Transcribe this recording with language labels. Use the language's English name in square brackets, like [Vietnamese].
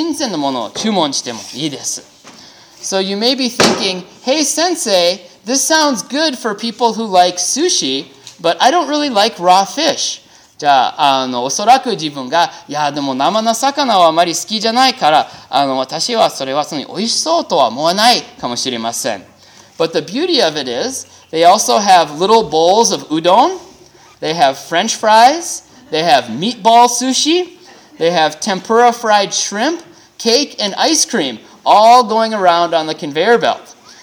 [Japanese] そして、美味しそうなものがあるけど、どれぐらい回ってきてるかなと、ちょっと怪しい気持ちがあったら、それで新鮮なものを注文してもいいです。 [English] So you may be thinking, hey, sensei, this sounds good for people who like sushi, but I don't really like raw fish. [Japanese] じゃあ、おそらく自分が、いや、でも生の魚はあまり好きじゃないから、私はそれはそんなに美味しそうとは思わないかもしれません。 [English] But the beauty of it is, they also have little bowls of udon, they have french fries, they have meatball sushi, they have tempura fried shrimp, cake, and ice cream, all going around on the conveyor belt.